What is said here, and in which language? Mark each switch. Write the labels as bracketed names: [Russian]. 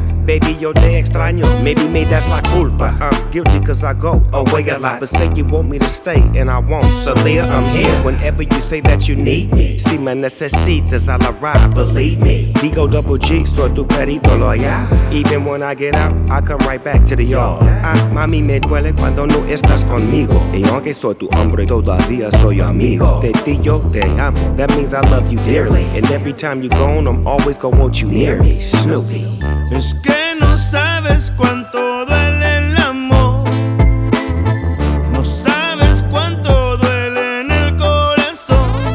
[Spanish] Baby, yo te extraño. [English] Maybe that's [Spanish] la culpa. [English] I'm guilty cause I go away a lot. But say you want me to stay, and I won't. So Leah, I'm here whenever you say that you need me. [Spanish] Si me necesitas, [English] I'll arrive, believe me. Digo double G, [Spanish] soy tu perito [English] loyal. Even when I get out, I come right back to the yard. [Spanish] Mami, me duele cuando no estás conmigo. Y aunque soy tu hombre, todavía soy amigo. De ti yo te amo, [English] that means I love you dearly. And every time you gone, I'm always gonna want you near me. Snoopy. [Spanish] Es que no sabes cuánto duele el amor. No sabes cuánto duele en el corazón.